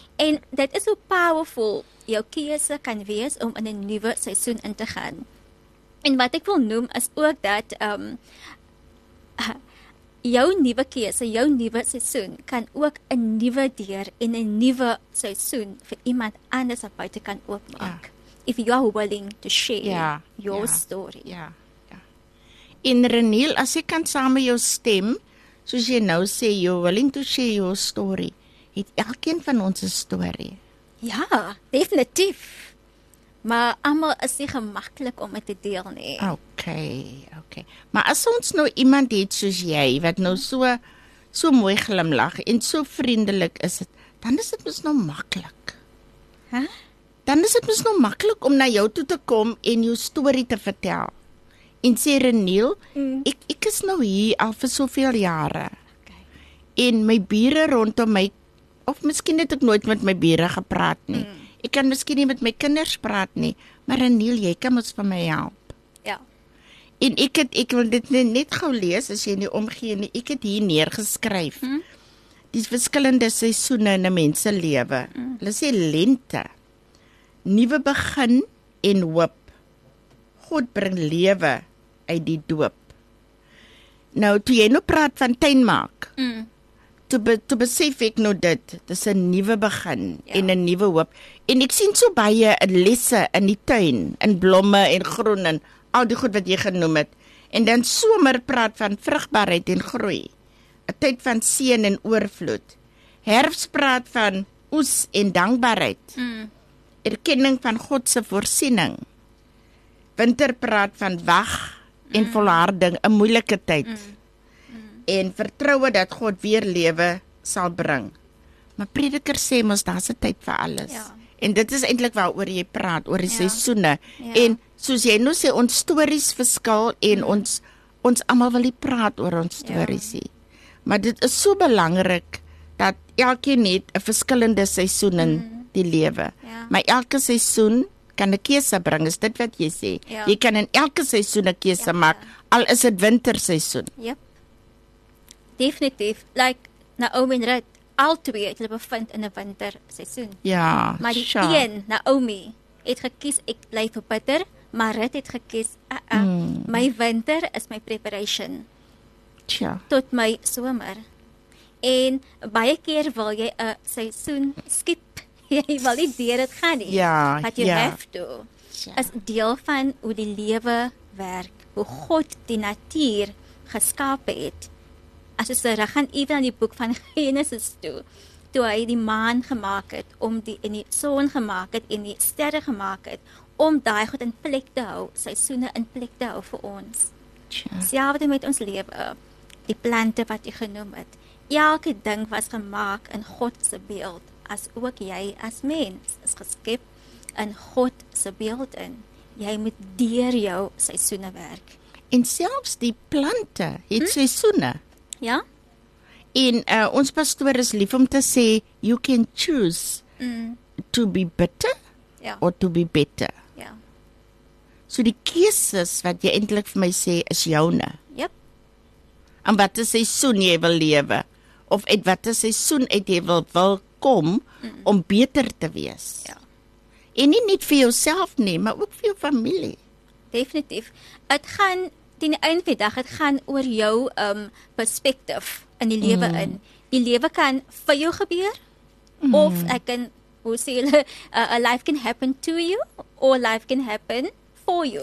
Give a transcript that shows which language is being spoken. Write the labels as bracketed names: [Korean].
[Afrikaans] En dit is hoe powerful jou keuse kan wees om in 'n nuwe seisoen in te gaan. En wat ek wil noem is ook dat jou nuwe keuse, jou nuwe seisoen kan ook 'n nuwe deur en 'n nuwe seisoen vir iemand anders op buite kan oopmaak. [English] If you are willing to share your story. [Afrikaans] En Reniel, as ek kan saam met jou stem, soos jy nou sê, [English] you're willing to share your story, [Afrikaans] het elkeen van ons 'n story. Ja, definitief. Maar allemaal is nie gemakkelijk om het te deel nie. [English] Okay. [Afrikaans] Maar as ons nou iemand het soos jy, wat nou so mooi glimlag en so vriendelik is het, dan is het mis nou makkelijk. Dan is het mis nou makkelijk om na jou toe te kom en jou story te vertel. En sê Reniel, ek is nou hier al vir soveel jare. En my bure rondom my, of miskien het ek nooit met my bure gepraat nie. Ek kan miskien nie met my kinders praat nie. Maar Reniel, jy kan ons vir my help. Ja. En ek wil dit net gauw lees, as jy nie omgee nie. Ek het hier neergeskryf. Die verskillende seisoene in die mense lewe. Hulle sê lente. Nuwe begin en hoop. God bring lewe uit die doop. Nou, toe jy nou praat van tuin maak, toe besef ek nou dit, dis 'n nuwe begin en 'n nuwe hoop. En ek sien so baie lesse in die tuin, in blomme en groen en al die goed wat jy genoem het. En dan somer praat van vrugbaarheid en groei. 'N tyd van seën en oorvloed. Herfst praat van oes en dankbaarheid. Erkenning van God se voorsiening. Winter praat van wag en volharding, 'n moeilike tyd. En vertroue dat God weer lewe sal bring. Maar prediker sê mos daar's 'n tyd vir alles. Ja. En dit is eintlik waaroor jy praat, oor die seisoene. Ja. En soos jy nou sê, ons stories verskil en ons almal wil nie praat oor ons stories nie. Maar dit is so belangrik dat elkeen het 'n verskillende seisoen in die lewe. Maar elke seisoen kan 'n keuse bring, is dit wat jy sê. Ja. Jy kan in elke seisoen 'n keuse maak, al is dit winterseisoen. [English] Yep. [Afrikaans] Definitief, like Naomi en Rut, al twee het hulle bevind in 'n winterseisoen. Ja, maar die een, Naomi, het gekies, ek bly verbitter, maar Rut het gekies, my winter is my preparation. Tja. Tot my somer. En baie keer wil jy een seisoen skip. Jy wil nie deur het gaan nie. Ja, wat jy [English] have to. [Afrikaans] Is deel van hoe die lewe werk. Hoe God die natuur geskaap het. As jy sy rug gaan even aan die boek van Genesis toe. Toe hy die maan gemaak het. Om die, en die son gemaak het. En die sterre gemaak het. Om daai God in plek te hou. Seisoene in plek te hou vir ons. Selfde met ons lewe. Die plante wat jy genoem het. Elke ding was gemaak in Godse beeld, as ook jy as mens is geskep in Godse beeld in. Jy moet deur jou seisoene werk. En selfs die plante het seisoene. Ja. En ons pastoor is lief om te sê, [English] you can choose to be bitter or to be better. [Afrikaans] Ja. So die keuses wat jy eintlik vir my sê, is joune. [English] Yep. [Afrikaans] En wat is seisoen jy wil lewe? Of uit wat een seisoen uit jy wil kom om beter te wees. Ja. En nie net vir jouself nie, maar ook vir jou familie. Definitief. Het gaan, die einde van die dag, het gaan oor jou perspektief in die lewe in. Die lewe kan vir jou gebeur, of ek kan, hoe sê julle, [English] a life can happen to you, or life can happen for you.